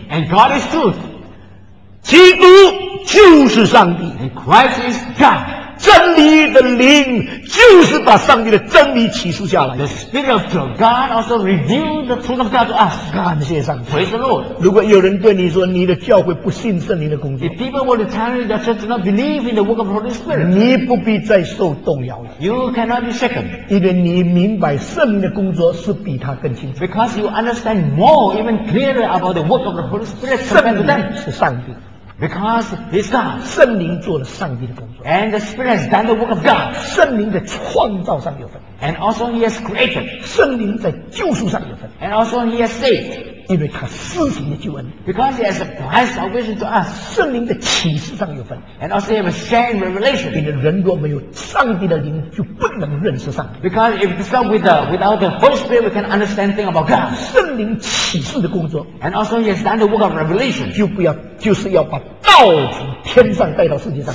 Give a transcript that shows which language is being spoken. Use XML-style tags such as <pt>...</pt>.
<en>And God is truth.</en> <zh>基督就是上帝。</zh> <en>And Christ is God.</en> <zh>真理的灵就是把上帝的真理启示下来。</zh> <en>The Spirit of God also revealed the truth of God to us.</en> <zh>感谢上帝。</zh> <en>Praise the Lord.</en> <zh>如果有人对你说你的教会不信圣灵的工作。</zh> <en>If people were to tell you that church do not believe in the work of the Holy Spirit.</en> <zh>你不必再受动摇了。</zh> <en>You cannot be shaken.</en> <zh>因为你明白圣灵的工作是比他更清楚。</zh> <en>Because you understand more, even clearer about the work of the Holy Spirit compared to them.</en> <zh>是上帝。</zh> <en>Because He's God,</en> <zh>圣灵做了上帝的工作</zh> <en>，and the Spirit has done the work of God.</en> <zh>圣灵的创造上有份</zh> <en>，and also He has created.</en> <zh>圣灵在救赎上有份</zh> <en>，and also He has saved.</en> <zh>因为他施行的救恩</zh> <en>，because He has applied salvation to us.</en> <zh>圣灵的启示上有份</zh> <en>，and also He has shared revelation.</en> <zh>因为人若没有上帝的灵，就不能认识上帝。</zh> <en>Because if it's not without the Holy Spirit, we can understand things about God.</en> <zh>圣灵启示的工作</zh> <en>，and also He has done the work of revelation.</en> <zh>就不要。就是要把道从天上带到世界上。</zh>